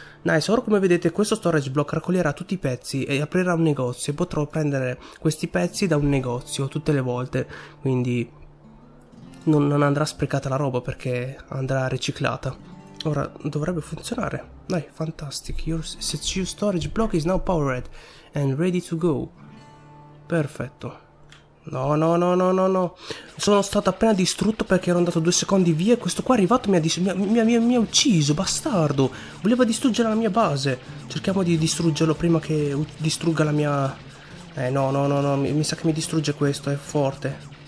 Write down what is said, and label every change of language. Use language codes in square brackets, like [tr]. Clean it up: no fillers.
[it] Nice, ora come vedete questo storage block raccoglierà tutti i pezzi e aprirà un negozio. E potrò prendere questi pezzi da un negozio tutte le volte. Quindi non andrà sprecata la roba, perché andrà riciclata. Ora dovrebbe funzionare. Dai, fantastic. [en] Your CCU storage block is now powered and ready to go. [it] Perfetto. No. Sono stato appena distrutto perché ero andato 2 secondi via e questo qua è arrivato e mi ha ucciso, bastardo. Voleva distruggere la mia base. Cerchiamo di distruggerlo prima che distrugga la mia... No. Mi sa che mi distrugge questo, è forte.